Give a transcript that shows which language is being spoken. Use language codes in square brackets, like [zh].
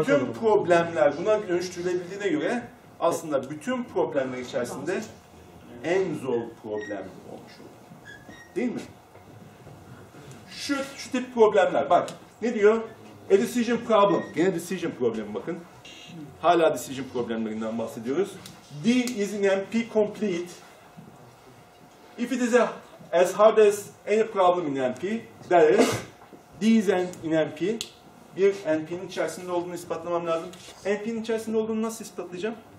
[tr] Bütün problemler buna dönüştürülebildiğine göre aslında bütün problemler içerisinde en zor problem olmuş olur. Değil mi? Şu tip problemler. Bak ne diyor? [en] A decision problem. [tr] Gene decision problemi bakın. Hala decision problemlerinden bahsediyoruz. [en] D is in NP complete. If it is as hard as any problem in NP, that is, D is in NP. [tr] Bir NP'nin içerisinde olduğunu ispatlamam lazım. NP'nin içerisinde olduğunu nasıl ispatlayacağım?